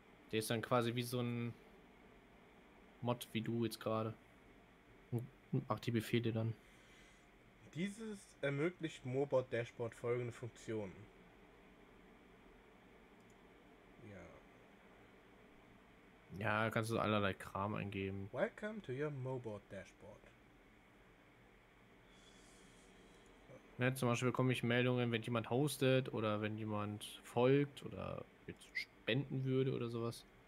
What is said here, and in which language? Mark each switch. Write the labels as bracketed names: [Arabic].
[German] Der ist dann quasi wie so ein Mod wie du jetzt gerade. Macht die Befehle dann. Dieses ermöglicht Mobot Dashboard folgende Funktionen. Ja, kannst du allerlei Kram eingeben. [English] Welcome to your Mobot Dashboard. [German] Ja, zum Beispiel bekomme ich Meldungen, wenn jemand hostet oder wenn jemand folgt oder jetzt spenden würde oder sowas.